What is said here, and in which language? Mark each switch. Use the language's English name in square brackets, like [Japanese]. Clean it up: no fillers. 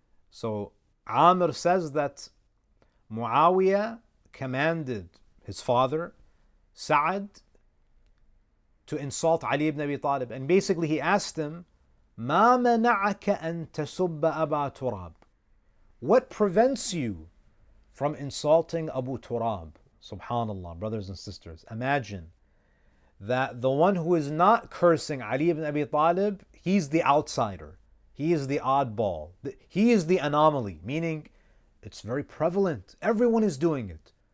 [English] So Amir says that Muawiyah commanded his father, Sa'd, to insult Ali ibn Abi Talib. And basically he asked him, [Arabic] مَا مَنَعَكَ أَن تَسُبَّ أَبَا تُرَاب. [English] What prevents you from insulting Abu Turab? Subhanallah, brothers and sisters, imagine that the one who is not cursing Ali ibn Abi Talib, he's the outsider, he is the oddball, he is the anomaly, meaning it's very prevalent, everyone is doing it.